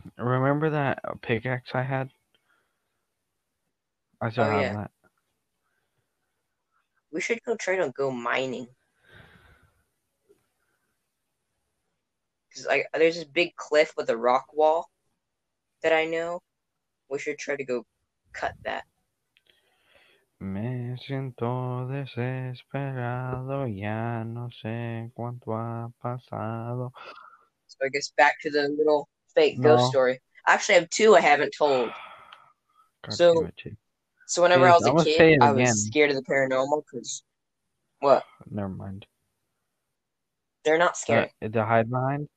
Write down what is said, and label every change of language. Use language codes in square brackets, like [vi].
[en] Remember that pickaxe I had? I still have that. We should go try to go mining. Cause like there's this big cliff with a rock wall that I know. We should try to go cut that. [es] Me siento desesperado, ya no sé cuánto ha pasado. [en] So I guess back to the little fake ghost story. I actually have two I haven't told. So whenever I was a kid, I was scared of the paranormal because, what? Never mind. They're not scary. To hide behind?